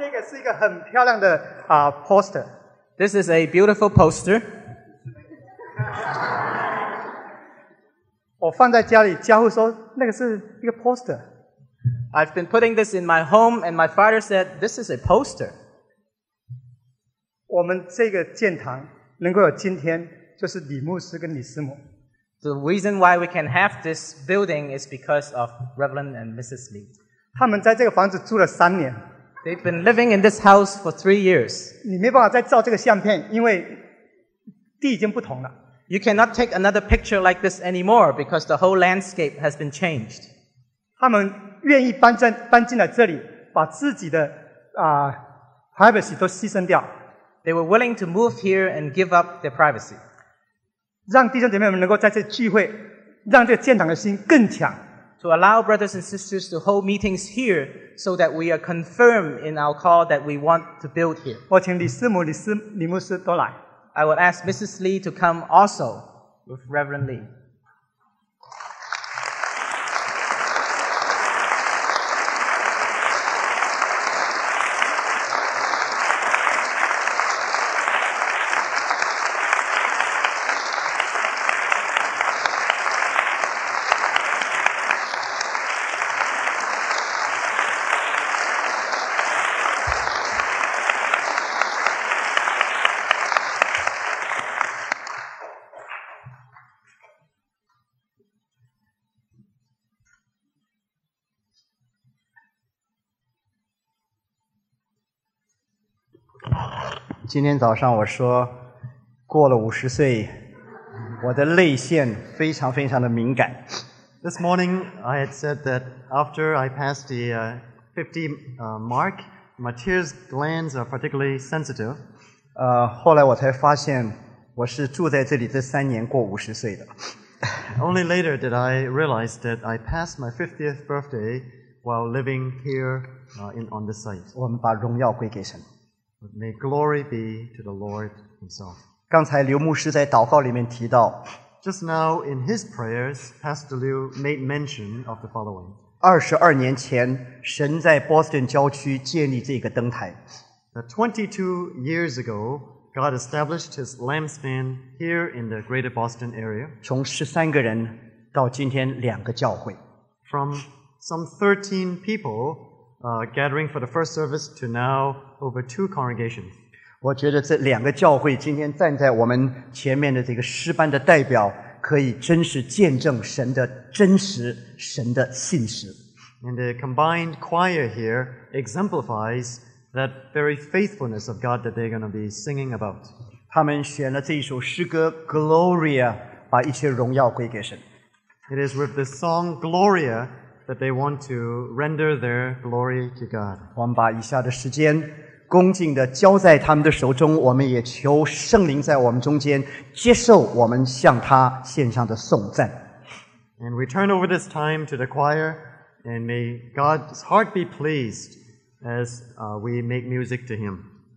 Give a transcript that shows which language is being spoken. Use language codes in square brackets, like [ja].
[en] Poster. This is a beautiful poster. [zh] 我放在家里，家父说那个是一个 poster. [en] I've been putting this in my home, and my father said this is a poster. [zh] 我们这个建堂能够有今天，就是李牧师跟李师母。 [en] The reason why we can have this building is because of Reverend and Mrs. Lee. [zh] 他们在这个房子住了三年。 [en] They've been living in this house for 3 years. [zh] 你没办法再照这个相片，因为地已经不同了。 [en] You cannot take another picture like this anymore because the whole landscape has been changed. [zh] 他们愿意搬进来这里，把自己的privacy 都牺牲掉。 [en] They were willing to move here and give up their privacy. [zh] 让弟兄姐妹们能够在这聚会，让这个建堂的心更强。 [en] To allow brothers and sisters to hold meetings here so that we are confirmed in our call that we want to build here. [zh] 我请李师母、李牧师都来。 [en] I would ask Mrs. Lee to come also with Reverend Lee. [zh] 今天早上我说过了50岁，我的泪腺非常非常的敏感。 [en] This morning I had said that after I passed the 50 mark, my tears glands are particularly sensitive. [zh] 后来我才发现我是住在这里这三年过五十岁的。 [en] Only later did I realize that I passed my 50th birthday while living here on the site. [zh] 我们把荣耀归给神。 [en] May glory be to the Lord Himself. [zh] 刚才刘牧师在祷告里面提到 [en] Just now in his prayers, Pastor Liu made mention of the following. [zh] 22年前神在波士顿郊区建立这个灯台。 [en] That 22 years ago,God established his lampstand here in the greater Boston area. [zh] 从13个人到今天两个教会。 [en] From some 13 people gathering for the first service to now over 2 congregations. [zh] 我觉得这两个教会今天站在我们前面的这个诗班的代表可以真实见证神的真实，神的信实。 [en] And the combined choir here exemplifies that very faithfulness of God that they're going to be singing about. [zh] 他们选了这一首诗歌 Gloria, 把一切荣耀归给神。 [en] It is with this song Gloria that they want to render their glory to God. [zh] 我们把以下的时间恭敬地交在他们的手中，我们也求圣灵在我们中间接受我们向他献上的颂赞。 [en] And we turn over this time to the choir, and may God's heart be pleased as we make music to him.